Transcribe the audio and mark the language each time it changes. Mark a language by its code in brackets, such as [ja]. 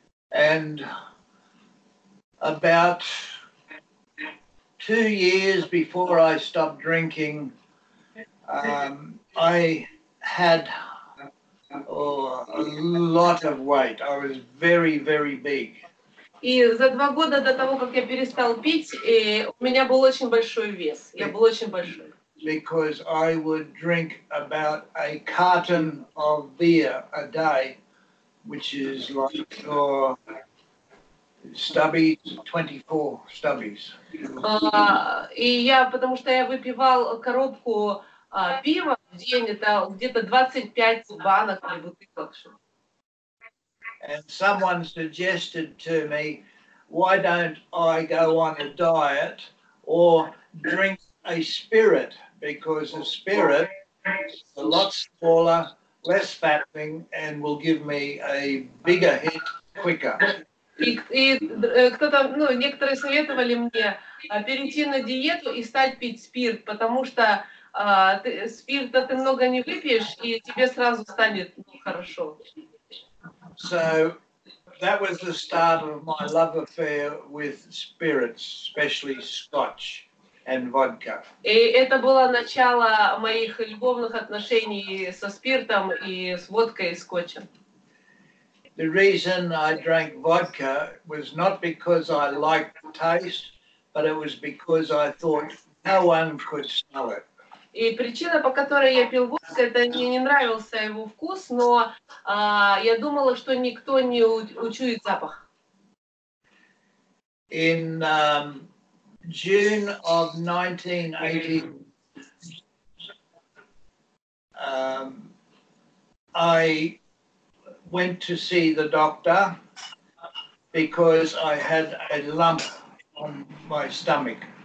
[en] And about 2 years before I stopped drinking, I had a lot of weight. I was very, very big. [ru] И за два года до того, как я перестал пить, у меня был очень большой вес. Я был очень большой. [en] Because I would drink about a carton of beer a day, which is like twenty-four stubbies. [ru] И я, потому что я выпивал коробку пива в день, это где-то 25 банок или бутылок. [en] And someone suggested to me, why don't I go on a diet or drink a spirit? Because a spirit is a lot smaller, less fattening, and will give me a bigger hit quicker. [ru] И кто-то, ну, некоторые советовали мне перейти на диету и стать пить спирт, потому что спирта ты много не выпьешь, и тебе сразу станет хорошо. [en] So that was the start of my love affair with spirits, especially scotch and vodka. [ru] И это было начало моих любовных отношений со спиртом и с водкой и скотчем. [en] The reason I drank vodka was not because I liked the taste, but it was because I thought no one could smell it. [ru] И причина, по которой я пил водку, это мне не нравился его вкус, но я думала, что никто не учует запах. [en] In June of 1980, I went to see the doctor because I had a lump on my stomach.